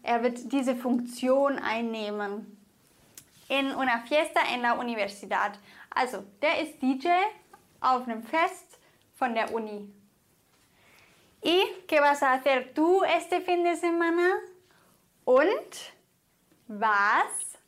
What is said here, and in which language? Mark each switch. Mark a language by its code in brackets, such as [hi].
[de] Er wird diese Funktion einnehmen. [es] In una fiesta en la universidad. [de] Also, der ist DJ auf einem Fest von der Uni. [es] ¿Y qué vas a hacer tú este fin de semana? [de] Und was